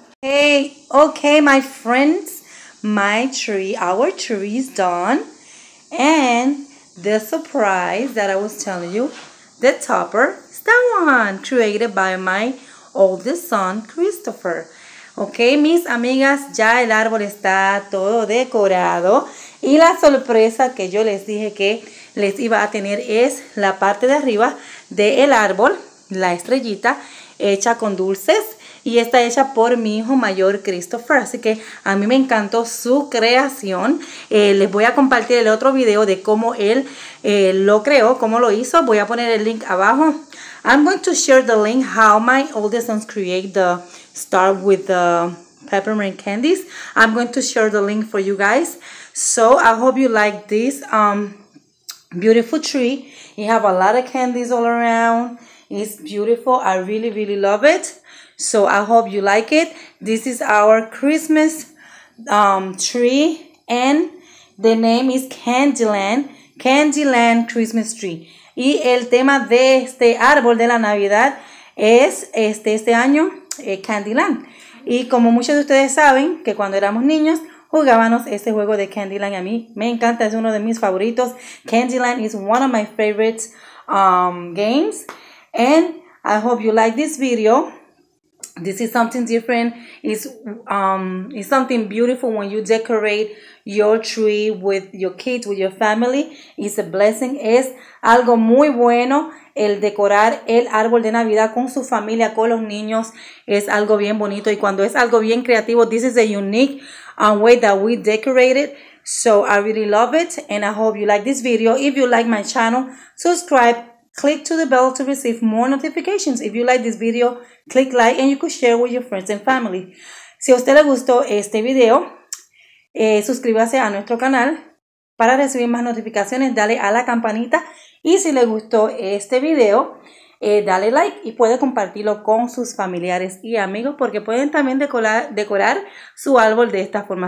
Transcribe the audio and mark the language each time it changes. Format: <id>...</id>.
<en>Okay, my friends, my tree, our tree is done. And the surprise that I was telling you, the topper is that one created by my oldest son, Christopher.</en> <es>Okay, mis amigas, ya el árbol está todo decorado. Y la sorpresa que yo les dije que les iba a tener es la parte de arriba del árbol, la estrellita, hecha con dulces. Y está hecha por mi hijo mayor, Christopher. Así que a mí me encantó su creación. Les voy a compartir el otro video de cómo él lo creó, cómo lo hizo. Voy a poner el link abajo.</es> <en>I'm going to share the link how my oldest son create the star with the peppermint candies. I'm going to share the link for you guys. So I hope you like this beautiful tree. You have a lot of candies all around. It's beautiful. I really, really love it. So I hope you like it. This is our Christmas tree and the name is Candyland. Candyland Christmas Tree.</en> <es>Y el tema de este árbol de la Navidad es este año, Candyland. Y como muchos de ustedes saben, que cuando éramos niños jugábamos este juego de Candyland. A mí me encanta, es uno de mis favoritos.</es> <en>Candyland is one of my favorite games. And I hope you like this video. This is something different. It's something beautiful when you decorate your tree with your kids, with your family. It's a blessing.</en> <es>Es algo muy bueno el decorar el árbol de Navidad con su familia, con los niños. Es algo bien bonito. Y cuando es algo bien creativo,</es> <en>this is a unique way that we decorate it. So I really love it. And I hope you like this video. If you like my channel, subscribe. Click to the bell to receive more notifications. If you like this video, click like and you could share with your friends and family.</en> <es>Si a usted le gustó este video, suscríbase a nuestro canal para recibir más notificaciones. Dale a la campanita y si le gustó este video, dale like y puede compartirlo con sus familiares y amigos porque pueden también decorar su árbol de esta forma.</es>